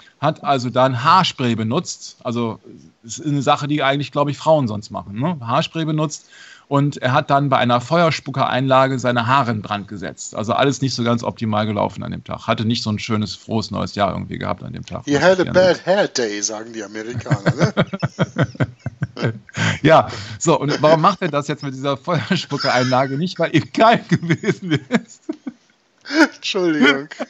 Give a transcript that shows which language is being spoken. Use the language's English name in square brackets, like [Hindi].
[German] hat also dann Haarspray benutzt. Also ist eine Sache, die eigentlich, glaube ich, Frauen sonst machen. Ne? Haarspray benutzt. Und er hat dann bei einer Feuerspucker-Einlage seine Haare in Brand gesetzt. Also alles nicht so ganz optimal gelaufen an dem Tag. Hatte nicht so ein schönes, frohes neues Jahr irgendwie gehabt an dem Tag. [English] You had a bad hair day, sagen die Amerikaner. [German] Ne? Ja, so, und warum macht er das jetzt mit dieser Feuerspucker-Einlage? Nicht, weil ihm kalt gewesen ist. Entschuldigung.